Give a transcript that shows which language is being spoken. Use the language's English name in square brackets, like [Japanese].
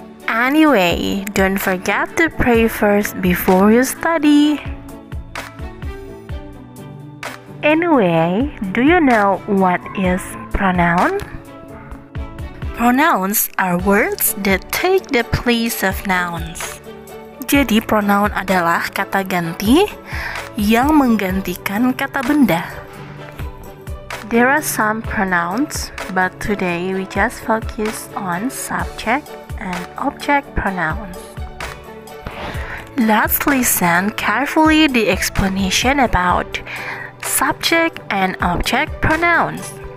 [English] Anyway, don't forget to pray first before you study. Anyway, do you know what is pronoun? Pronouns are words that take the place of nouns. [Indonesian] Jadi pronoun adalah kata ganti yang menggantikan kata benda. [English] There are some pronouns, but today we just focus on subject and object pronouns. Let's listen carefully the explanation about subject and object pronouns.